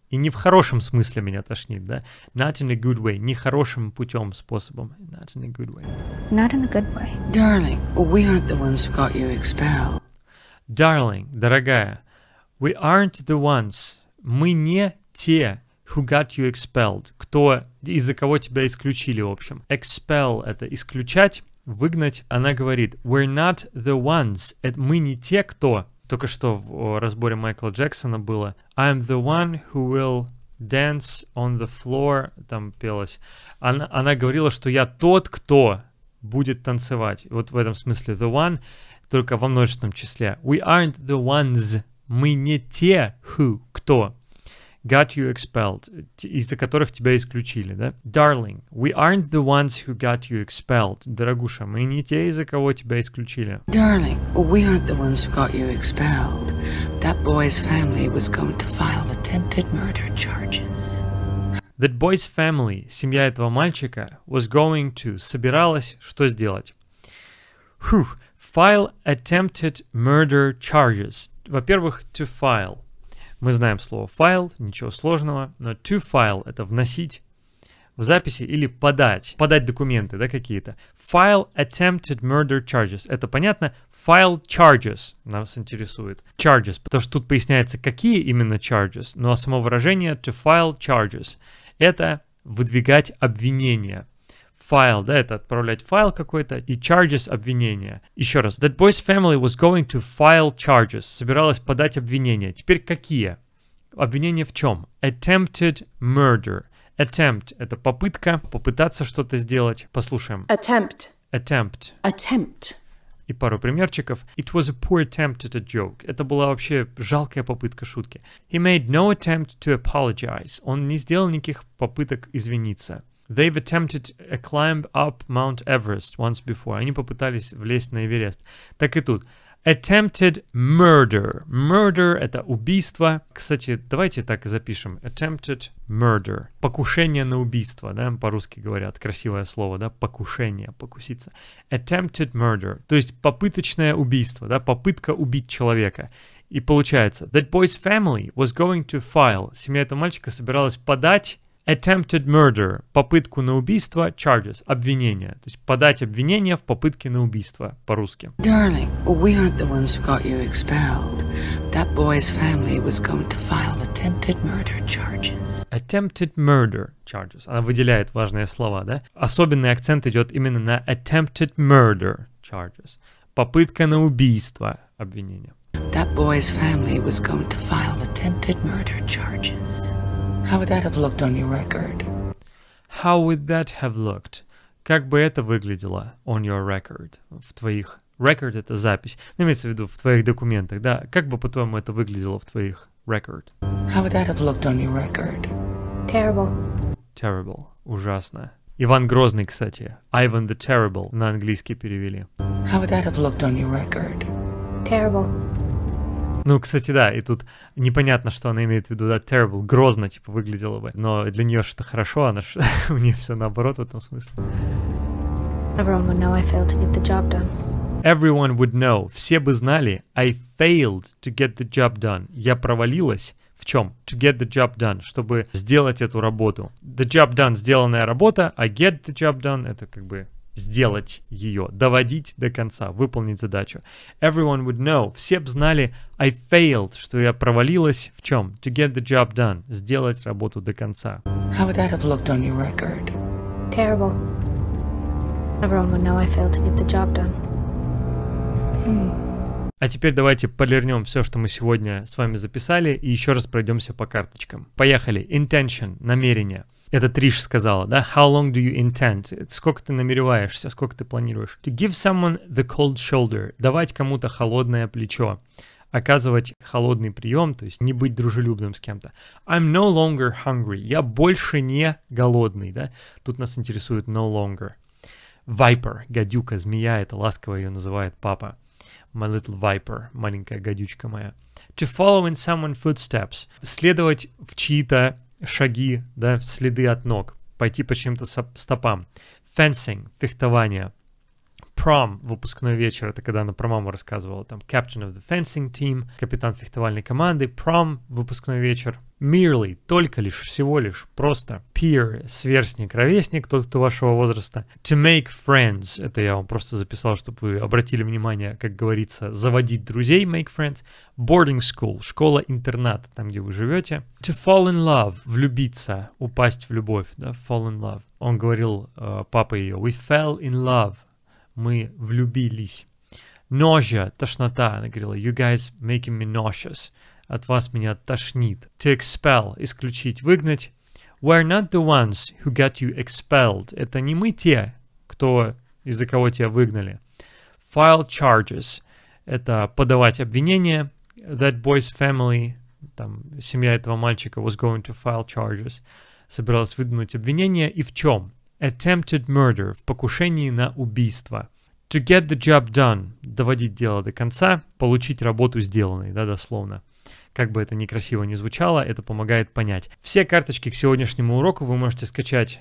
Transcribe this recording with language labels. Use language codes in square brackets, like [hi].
[ru] И не в хорошем смысле меня тошнит, да? [en] Not in a good way. [ru] Нехорошим путем, способом. [en] Not in a good way. Not in a good way. Darling, we aren't the ones who got you expelled. [ru] Darling, дорогая. [en] We aren't the ones. [ru] Мы не те, [en] who got you expelled. [ru] Кто, из-за кого тебя исключили, в общем. Expel — это исключать. Выгнать, она говорит, [en] we're not the ones, [ru] это мы не те, кто. Только что в разборе Майкла Джексона было, [en] I'm the one who will dance on the floor, [ru] там пелось. Она говорила, что я тот, кто будет танцевать. Вот в этом смысле the one, только во множественном числе. [en] We aren't the ones, [ru] мы не те, [en] who, кто. Got you expelled, [ru] из-за которых тебя исключили, да? [en] Darling, we aren't the ones who got you expelled. [ru] Дорогуша, мы не те, из-за кого тебя исключили. [en] Darling, we aren't the ones who got you expelled. That boy's family was going to file attempted murder charges. That boy's family, [ru] семья этого мальчика, [en] was going to, [ru] собиралась что сделать? [en] Whew, file attempted murder charges. [ru] Во-первых, to file. Мы знаем слово «файл», ничего сложного, но «to file» — это «вносить в записи» или «подать», «подать документы», да, какие-то. [en] «File attempted murder charges» — [ru] это понятно? «File charges» нас интересует. «Charges», потому что тут поясняется, какие именно «charges», ну а само выражение [en] «to file charges» [ru] — это «выдвигать обвинения». File, да, это отправлять файл какой-то, и charges обвинения. Еще раз, [en] that boy's family was going to file charges, [ru] собиралась подать обвинения. Теперь какие? Обвинения в чем? Attempted murder. Attempt — это попытка, попытаться что-то сделать. Послушаем. [en] Attempt. Attempt. Attempt. [ru] И пару примерчиков. [en] It was a poor attempt at a joke. [ru] Это была вообще жалкая попытка шутки. [en] He made no attempt to apologize. [ru] Он не сделал никаких попыток извиниться. [en] They've attempted a climb up Mount Everest once before. [ru] Они попытались влезть на Эверест. Так и тут. Attempted murder. Murder — это убийство. Кстати, давайте так и запишем. [en] Attempted murder. [ru] Покушение на убийство, да, по-русски говорят. Красивое слово, да, покушение, покуситься. [en] Attempted murder. [ru] То есть попыточное убийство, да, попытка убить человека. И получается, [en] that boy's family was going to file. [ru] Семья этого мальчика собиралась подать... [en] Attempted murder. [ru] Попытку на убийство. Charges. Обвинение. То есть подать обвинение в попытке на убийство. По-русски. [en] Darling, we aren't the ones who got you expelled. That boy's family was going to file attempted murder charges. Attempted murder charges. [ru] Она выделяет важные слова, да? Особенный акцент идет именно на [en] attempted murder charges. [ru] Попытка на убийство. Обвинение. [en] That boy's family was going to file attempted murder charges. How would that have looked on your record? How would that have looked? [ru] Как бы это выглядело [en] on your record? [ru] В твоих... Record — это запись. Ну, имеется в виду в твоих документах, да? Как бы, по-твоему, это выглядело в твоих record? [en] How would that have looked on your record? Terrible. [ru] Terrible. Ужасно. Иван Грозный, кстати. Ivan the Terrible на английский перевели. [en] How would that have looked on your record? Terrible. [ru] Ну, кстати, да, и тут непонятно, что она имеет в виду, да, terrible, грозно, типа, выглядело бы. Но для нее что-то хорошо, она же, у нее все наоборот в этом смысле. [en] Everyone would know I failed to get the job done. Everyone would know, [ru] все бы знали, [en] I failed to get the job done. [ru] Я провалилась, в чем? [en] To get the job done, [ru] чтобы сделать эту работу. The job done — сделанная работа, а [en] get the job done [ru] — это как бы... сделать ее, доводить до конца, выполнить задачу. [en] Everyone would know, [ru] все бы знали, [en] I failed, [ru] что я провалилась в чем? [en] To get the job done, [ru] сделать работу до конца. [en] How would that have looked on your record? Terrible. Everyone would know I failed to get the job done. [ru] А теперь давайте полирнем все, что мы сегодня с вами записали, и еще раз пройдемся по карточкам. Поехали. Intention, намерение. Это Триш сказала, да? [en] How long do you intend? [ru] Сколько ты намереваешься, сколько ты планируешь? [en] To give someone the cold shoulder. [ru] Давать кому-то холодное плечо. оказывать холодный прием, то есть не быть дружелюбным с кем-то. [en] I'm no longer hungry. [ru] Я больше не голодный, да? Тут нас интересует no longer. Viper, гадюка, змея, это ласково ее называет папа. [en] My little viper, [ru] маленькая гадючка моя. [en] To follow in someone's footsteps. [ru] Следовать в чьи-то шаги, да, в следы от ног. Пойти по чьим-то стопам. Fencing, фехтование. Prom, выпускной вечер, это когда она про маму рассказывала, там, [en] captain of the fencing team, [ru] капитан фехтовальной команды, prom, выпускной вечер. Merely, только лишь, всего лишь, просто. Peer, сверстник, ровесник, тот, кто вашего возраста. To make friends, это я вам просто записал, чтобы вы обратили внимание, как говорится, заводить друзей, make friends. Boarding school, школа-интернат, там, где вы живете. [en] To fall in love, [ru] влюбиться, упасть в любовь, да, fall in love. Он говорил, папа ее, [en] we fell in love. [ru] Мы влюбились. Nausea, тошнота, она говорила. [en] You guys making me nauseous. [ru] От вас меня тошнит. To expel, исключить, выгнать. [en] We're not the ones who got you expelled. [ru] Это не мы те, кто из-за кого тебя выгнали. [en] File charges. [ru] Это подавать обвинение. [en] That boy's family, [ru] там, семья этого мальчика [en] was going to file charges. [ru] Собиралась выдвинуть обвинение. И в чем? [en] Attempted murder, [ru] в покушении на убийство. [en] To get the job done, [ru] доводить дело до конца, получить работу сделанной, да, дословно. Как бы это ни красиво ни звучало, это помогает понять. Все карточки к сегодняшнему уроку вы можете скачать